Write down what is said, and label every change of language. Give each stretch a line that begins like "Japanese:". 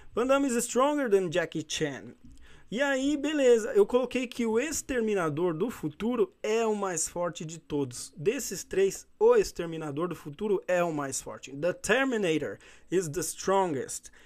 English: Van Damme is stronger than Jack Chan.
Portuguese: E aí, beleza, eu coloquei que o Exterminador do Futuro é o mais forte de todos. Desses três, o Exterminador do Futuro é o mais forte.
English: The Terminator is the strongest.